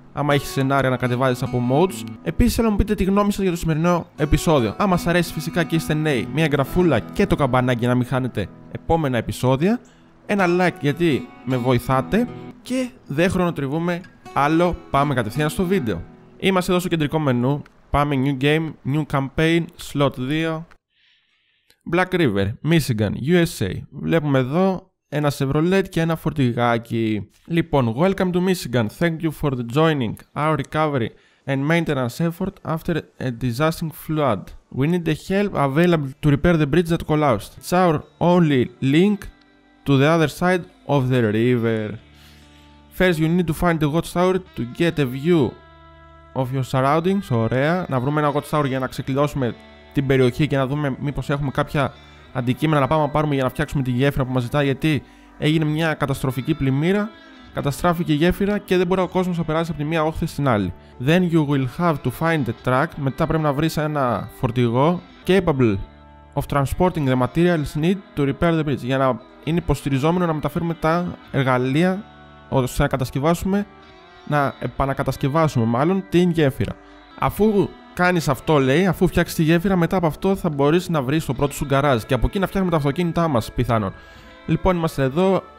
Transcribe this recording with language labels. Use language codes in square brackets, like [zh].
[el] Άμα έχει σενάρια να κατεβάζεις από modes. Επίσης θέλω να μου πείτε τη γνώμη σας για το σημερινό επεισόδιο. Άμα σας αρέσει φυσικά και είστε νέοι, μια εγγραφούλα και το καμπανάκι να μην χάνετε επόμενα επεισόδια. Ένα like γιατί με βοηθάτε. Και δεν χρονοτριβούμε άλλο, πάμε κατευθείαν στο βίντεο. Είμαστε εδώ στο κεντρικό μενού. Πάμε New Game, New Campaign, Slot 2. Black River, Michigan, USA. Βλέπουμε εδώ ένα Chevrolet και ένα φορτηγάκι. Λοιπόν, [en] welcome to Michigan. Thank you for the joining our recovery and maintenance effort after a disastrous flood. We need the help available to repair the bridge that collapsed. It's our only link to the other side of the river. First, you need to find the watchtower to get a view of your surroundings. [el] Ωραία. Να βρούμε ένα watchtower για να ξεκλειδώσουμε την περιοχή και να δούμε μήπως έχουμε κάποια αντικείμενα να πάμε να πάρουμε για να φτιάξουμε τη γέφυρα που μας ζητά, γιατί έγινε μια καταστροφική πλημμύρα, καταστράφηκε η γέφυρα και δεν μπορεί ο κόσμος να περάσει από τη μία όχθη στην άλλη. [en] Then you will have to find the truck. [el] Μετά πρέπει να βρεις ένα φορτηγό [en] capable of transporting the materials needed to repair the bridge, [el] για να είναι υποστηριζόμενο να μεταφέρουμε τα εργαλεία ώστε να επανακατασκευάσουμε την γέφυρα. Αφού κάνεις αυτό, λέει, αφού φτιάξεις τη γέφυρα, μετά από αυτό θα μπορείς να βρεις το πρώτο σου γκαράζ και από εκεί να φτιάχνουμε τα αυτοκίνητά μας, πιθανόν. Λοιπόν, είμαστε εδώ.